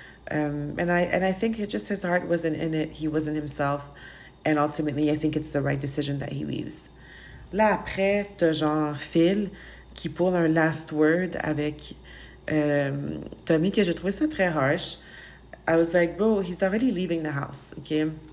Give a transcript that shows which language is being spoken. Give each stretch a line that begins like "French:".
English: And I think it just his heart wasn't in it. He wasn't himself. And ultimately, I think it's the right decision that he leaves.
French: Là, après, t'as genre Phil qui pull un last word avec Tommy, que j'ai trouvé ça très harsh.
English: I was like, bro, he's already leaving the house, okay?